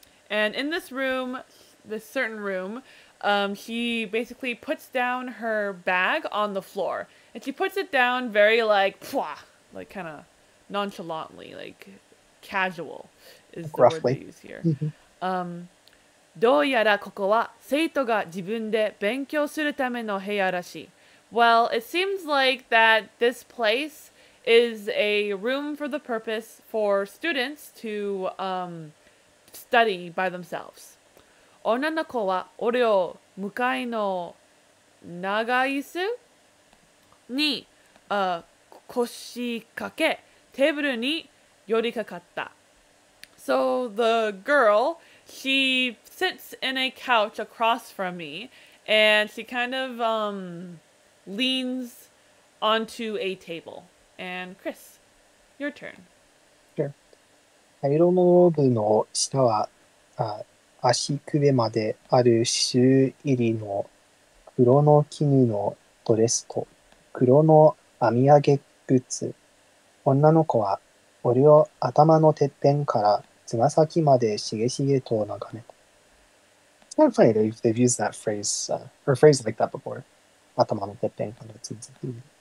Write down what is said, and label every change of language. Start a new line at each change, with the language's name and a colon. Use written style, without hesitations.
English: And in this room, this certain room, she basically puts down her bag on the floor. And she puts it down very, like, pwah, like, kind of nonchalantly, like, casual is the roughly word they use here.
Japanese: どうやらここは生徒が自分で勉強するための部屋らしい。
English: Well, it seems like that this place is a room for the purpose for students to study by themselves.
Japanese: 女の子は俺を向かいの長椅子に腰掛けテーブルに寄りかかった。
English: So the girl, she sits in a couch across from me, and she kind of leans onto a table. And Chris, your turn. Sure.
Japanese: 灰色のローブの下は足首まである朱入りの黒の絹のドレスと黒の編み上げ靴。女の子は俺を頭のてっぺんからつま先までしげしげと眺めた。
English: It's kind of funny that they've used that phrase, or phrase like that before.
Japanese: 頭のてっぺんからつま先まで。